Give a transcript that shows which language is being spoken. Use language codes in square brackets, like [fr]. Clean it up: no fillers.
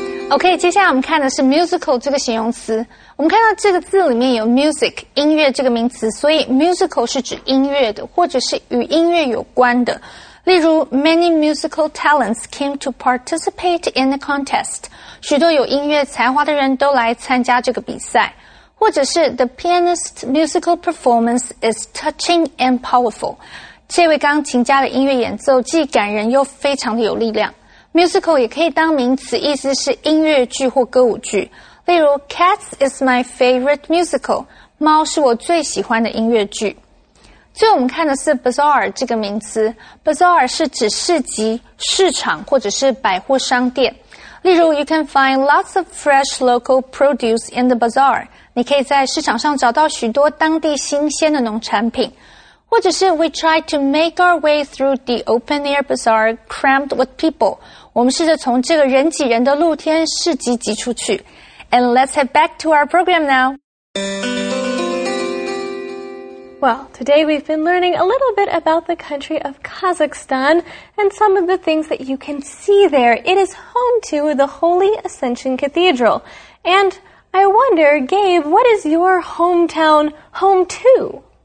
[zh] OK, 接下来我们看的是 musical 这个形容词。我们看到这个字里面有 music, 音乐这个名词，所以 musical 是指音乐的，或者是与音乐有关的。例如 [en] ,many musical talents came to participate in the contest. [zh] 许多有音乐才华的人都来参加这个比赛。或者是 [en] ,the pianist's musical performance is touching and powerful. [zh] 这位钢琴家的音乐演奏既感人又非常的有力量。 Musical 也可以当名词，意思是音乐剧或歌舞剧。例如 [en] ,Cats is my favorite musical. [zh] 猫是我最喜欢的音乐剧。最后我们看的是 bazaar 这个名词。bazaar 是指市集、市场或者是百货商店。例如 [en] ,you can find lots of fresh local produce in the bazaar. [zh] 你可以在市场上找到许多当地新鲜的农产品。或者是 [en] we try to make our way through the open-air bazaar crammed with people. [zh] 我们试着从这个人挤人的露天市集挤出去。 [en] And let's head back to our program now. Well, today we've been learning a little bit about the country of Kazakhstan and some of the things that you can see there. It is home to the Holy Ascension Cathedral. And I wonder, Gabe, what is your hometown home to?